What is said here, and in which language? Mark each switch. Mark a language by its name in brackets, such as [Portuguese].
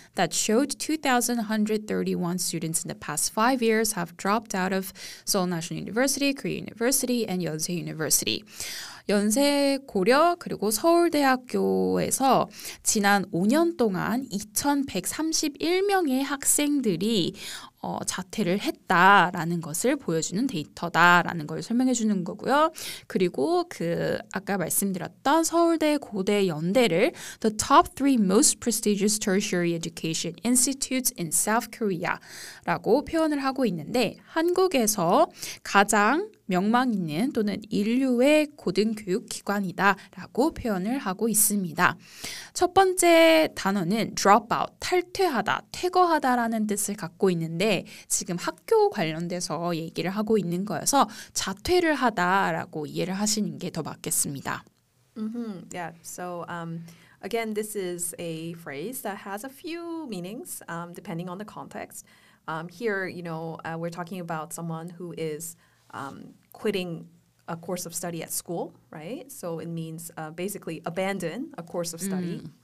[English] That showed 2,131 students in the past 5 years have dropped out of Seoul National University, Korea University, and Yonsei University. [Korean] 연세고려 그리고 서울대학교에서 지난 5년 동안 2,131명의 학생들이 자퇴를 했다라는 것을 보여주는 데이터다라는 걸 설명해 주는 거고요. 그리고 그 아까 말씀드렸던 서울대, 고대, 연대를 [English] The top three most prestigious tertiary education institutes in South Korea [Korean] 라고 표현을 하고 있는데 한국에서 가장 명망 있는 또는 인류의 고등교육 기관이다라고 표현을 하고 있습니다. 첫 번째 단어는 drop out, 탈퇴하다, 퇴거하다라는 뜻을 갖고 있는데 지금 학교 관련돼서 얘기를 하고 있는 거여서 자퇴를 하다라고 이해를 하시는 게 더 맞겠습니다. Mm-hmm. [English] Yeah, so again, this is a phrase that has a few meanings depending on the context. Here, you know, we're talking about someone who is quitting a course of study at school, right? So it means basically abandon a course of study. Mm.